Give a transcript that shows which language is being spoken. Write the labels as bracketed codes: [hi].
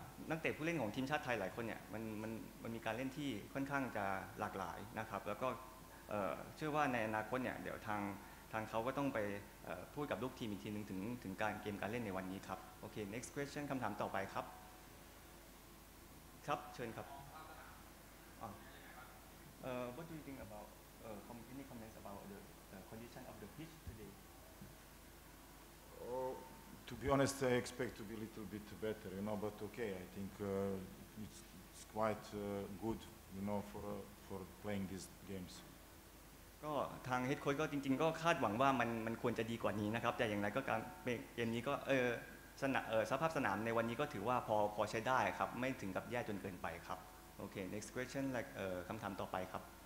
[th] นักเตะผู้เล่นของทีมชาติไทยหลายคนเนี่ยมันมีการเล่นที่ค่อนข้างจะหลากหลายนะครับแล้วก็เชื่อว่าในอนาคตเนี่ยเดี๋ยวทางเขาก็ต้องไปพูดกับลูกทีมอีกทีนึงถึงการเกมการเล่นในวันนี้ครับโอเค [en] next question [th] คำถามต่อไปครับครับเชิญครับ [en] What do you think about any comments about the condition of the pitch today? To be honest, I expect to be a little bit better, you know, but okay, I think it's quite good, you know, for playing these games. [th] ก็ทางเฮดโค้ชก็จริงๆก็คาดหวังว่ามันควรจะดีกว่านี้นะครับแต่อย่างไรก็การเกมนี้ก็สนามสภาพสนามในวันนี้ก็ถือว่าพอใช้ได้ครับไม่ถึงกับแย่จนเกินไปครับโอเค [en] next question [th] คำถามต่อไปครับ